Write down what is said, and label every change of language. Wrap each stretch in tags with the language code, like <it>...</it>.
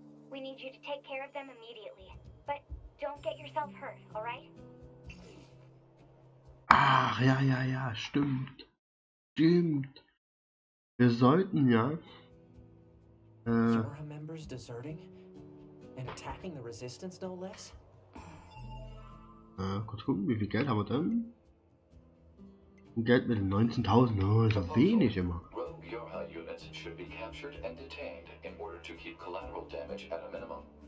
<en>We need you to take care of them immediately. But don't get yourself hurt, alright?</en> <de>Ach, ja, stimmt. Stimmt. Wir sollten ja.</de> <en>Yorha members deserting? And attacking the resistance, no less?</en> <de>Kurz gucken, wie viel Geld haben wir denn? Ein Geld mit 19.000, oh, ist ja wenig immer.</de> <en>Rogue Yorha units should be captured and detained in order to keep collateral damage at a minimum.</en>